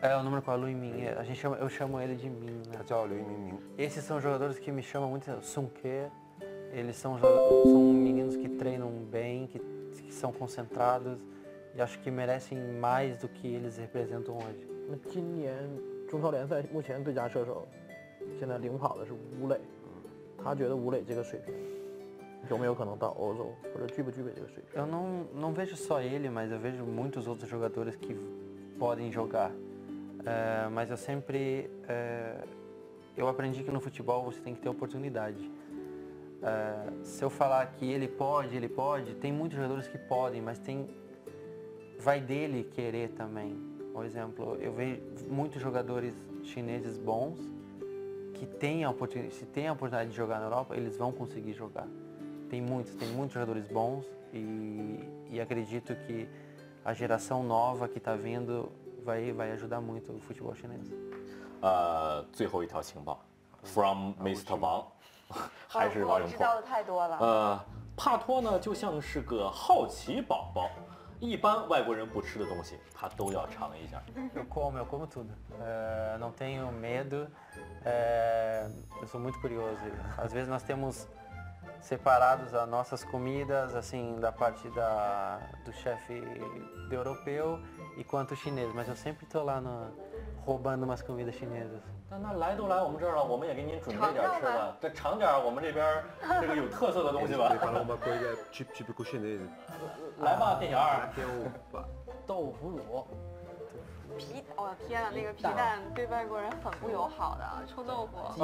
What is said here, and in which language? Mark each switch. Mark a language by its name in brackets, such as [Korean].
[Portuguese] É, o número 4, Liu Yiming. Eu chamo ele de Min, né? Liu Yiming. Esses são jogadores que me chamam muito, Sun Ke. Eles são meninos que treinam bem, que são concentrados e acho que merecem mais do que eles representam hoje. [Chinese] 现在领跑的是吴磊，他觉得吴磊这个水平有没有可能到欧洲，或者具不具备这个水平？ [Portuguese] Eu não vejo só ele, mas eu vejo muitos outros jogadores que podem jogar. Mas eu sempre, eu aprendi que no futebol você tem que ter oportunidade. Se eu falar que ele pode, tem muitos jogadores que podem, mas tem vai dele querer também. Por exemplo, eu vejo muitos jogadores chineses bons. Que tem a oportunidade, se tem a oportunidade de jogar na Europa, eles vão conseguir jogar. Tem muitos jogadores bons e acredito que a geração nova que está vindo vai ajudar muito o futebol chinês. [Chinese] 最后一条情报 ， [English] from Mr. [Chinese] Wang， 还是王永珀。我知道的太多了。帕托呢，就像是个好奇宝宝。一般外国人不吃的东西，他都要尝一下。 [Portuguese] Eu como tudo. Não tenho medo. Eu sou muito curioso. Às vezes nós temos separados as nossas comidas, assim, da parte do chefe do europeu e quanto chinês. Mas eu sempre estou lá roubando umas comidas chinesas. [Chinese] 那来都来我们这儿了，我们也给您准备点吃的。再尝点我们这边这个有特色的东西吧。对，反正我们国家 [English] typical chinese。 [Chinese] 来吧，店员。豆腐乳。皮，我的天啊，那个皮蛋对外国人很不友好的，臭豆腐。